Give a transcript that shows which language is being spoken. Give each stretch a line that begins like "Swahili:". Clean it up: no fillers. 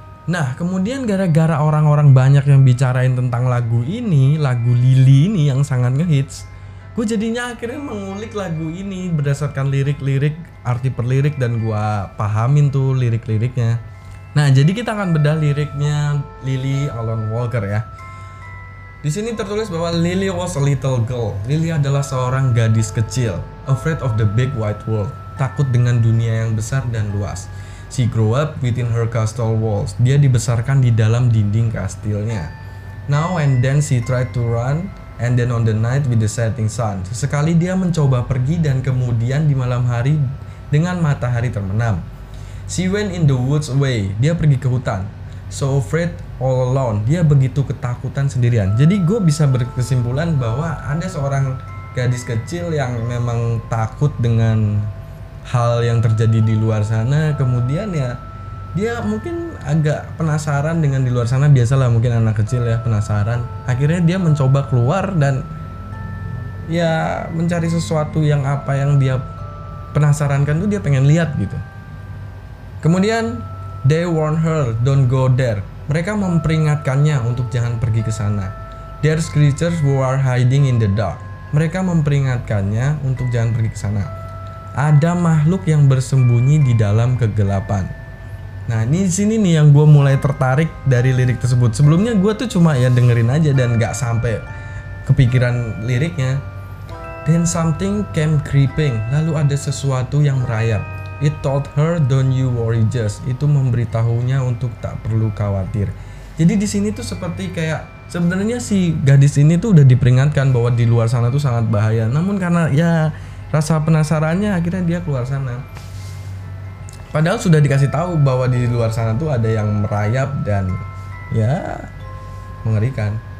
Indonesian: Nah kemudian gara-gara orang-orang banyak yang bicarain tentang lagu ini, lagu Lily ini yang sangat ngehits, gue jadinya akhirnya mengulik lagu ini berdasarkan lirik-lirik, arti per lirik, dan gue pahamin tuh lirik-liriknya. Nah, jadi kita akan bedah liriknya Lily Alan Walker ya. Di sini tertulis bahwa
English: Lily was a little girl.
Indonesian: Lily adalah seorang gadis kecil,
English: afraid of the big white world,
Indonesian: takut dengan dunia yang besar dan luas.
English: She grew up within her castle walls.
Indonesian: Dia dibesarkan di dalam dinding kastilnya.
English: Now and then she tried to run, and then on the night with the setting sun.
Indonesian: Sesekali dia mencoba pergi dan kemudian di malam hari dengan matahari termenam.
English: She went in the woods away.
Indonesian: Dia pergi ke hutan.
English: So afraid all alone.
Indonesian: Dia begitu ketakutan sendirian. Jadi gue bisa berkesimpulan bahwa ada seorang gadis kecil yang memang takut dengan hal yang terjadi di luar sana. Kemudian ya dia mungkin agak penasaran dengan di luar sana. Biasalah mungkin anak kecil ya penasaran. Akhirnya dia mencoba keluar dan ya mencari sesuatu yang apa yang dia penasarankan tuh dia pengen lihat gitu. Kemudian
English: they warn her don't go there.
Indonesian: Mereka memperingatkannya untuk jangan pergi ke sana.
English: There's creatures who are hiding in the dark.
Indonesian: Mereka memperingatkannya untuk jangan pergi ke sana. Ada makhluk yang bersembunyi di dalam kegelapan. Nah, ini sini nih yang gue mulai tertarik dari lirik tersebut. Sebelumnya gue tuh cuma ya dengerin aja dan gak sampai kepikiran liriknya.
English: Then something came creeping.
Indonesian: Lalu ada sesuatu yang merayap.
English: It told her, don't you worry just.
Indonesian: Itu memberitahunya untuk tak perlu khawatir. Jadi di sini tuh seperti kayak sebenarnya si gadis ini tuh udah diperingatkan bahwa di luar sana tuh sangat bahaya. Namun karena ya rasa penasarannya akhirnya dia keluar sana. Padahal sudah dikasih tahu bahwa di luar sana tuh ada yang merayap dan ya mengerikan.